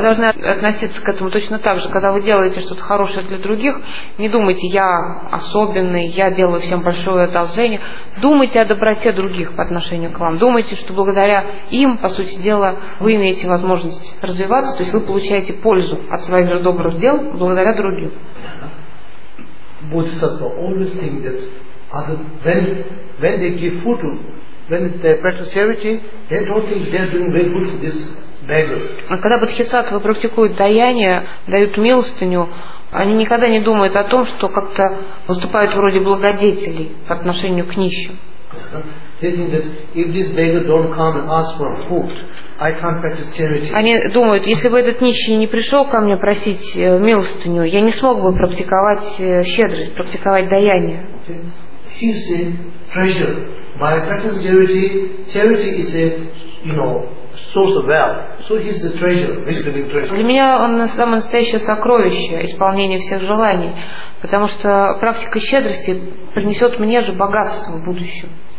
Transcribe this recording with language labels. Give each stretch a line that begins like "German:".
Russian: должны относиться к этому точно так же. Когда вы делаете что-то хорошее для других, не думайте, я особенный, я делаю всем большое одолжение. Думайте о доброте других по отношению к вам. Думайте, что благодаря им, по сути дела, вы имеете возможность развиваться, то есть вы получаете пользу от своих же добрых дел благодаря другим.
English: Bodhisattva always think that when they give food to, when they practice charity, they don't think they are doing very good for this beggar.
Russian: Когда бодхисаттвы практикуют даяние, дают милостыню, они никогда не думают о том, что как-то выступают вроде благодетелей по отношению к нищим.
English: They think that if this beggar don't come and ask for food, I can't practice charity.
Russian: Они думают, если бы этот нищий не пришел ко мне просить милостыню, я не смог бы практиковать щедрость, практиковать даяние.
English: Okay. He's a treasure. By practicing charity, charity is a, you know, source of wealth. So he's the treasure, basically treasure.
Russian: Для меня он самое настоящее сокровище, исполнение всех желаний, потому что практика щедрости принесет мне же богатство в будущем.